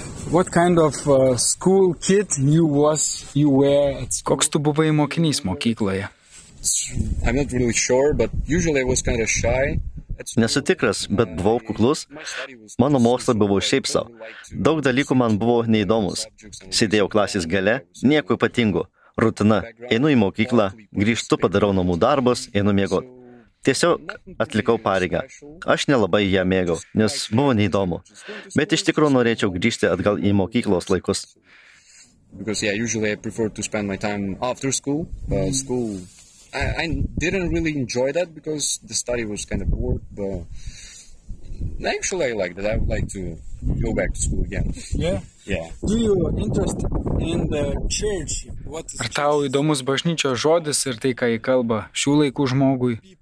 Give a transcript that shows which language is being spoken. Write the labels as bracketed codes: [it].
[en] What kind of school kid you were at school? [lt] Koks tu buvai mokinys mokykloje? [en] I'm not really sure, but usually I was kind of shy. [lt] Nesu tikras, bet buvau kuklus. Mano mokslai buvo šiaip sau. Daug dalykų man buvo neįdomus. Sėdėjau klasės gale, nieko ypatingo. Rutina, einu į mokyklą, grįžtu, padarau namų darbus, einu miegot. Tiesiog atlikau pareigą. Aš nelabai ją mėgau, nes buvo neįdomu. Bet iš tikrųjų norėčiau grįžti atgal į mokyklos laikus. [en] Because yeah, usually I prefer to spend my time after school, but school I didn't really enjoy that because the study was kind of bored, but actually I liked it. I would like to go back to school again. Yeah. Yeah. Do you interest in the church? What is [lt] Ar tau įdomus bažnyčios žodis ir tai, ką jį kalba šių laikų žmogui?